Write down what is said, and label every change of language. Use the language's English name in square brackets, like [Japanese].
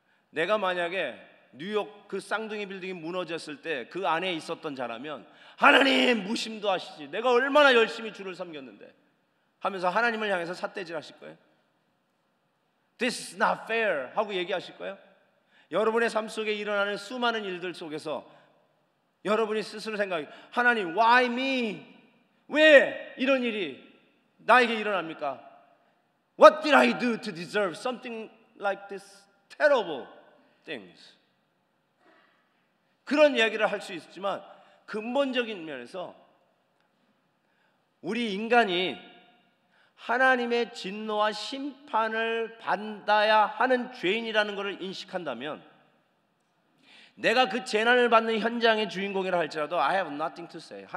[Korean] 내가 만약에 뉴욕 그 쌍둥이 빌딩이 무너졌을 때 그 안에 있었던 자라면 하나님 무심도 하시지 내가 얼마나 열심히 주를 섬겼는데 하면서 하나님을 향해서 삿대질하실 거예요? [English] This is not fair [Korean] 하고 얘기하실 거예요? 여러분의 삶 속에 일어나는 수많은 일들 속에서 여러분이 스스로 생각해 하나님 [English] why me? [Korean] 왜 이런 일이 나에게 일어납니까? [English] What did I do to deserve something like this terrible things? [Korean] 그런 이야기를 할 수 있지만 근본적인 면에서 우리 인간이 하나님의 진노와 심판을 받아야 하는 죄인이라는 것을 인식한다면 내가 그 재난을 받는 현장의 주인공이라 할지라도 [English] I have nothing to say.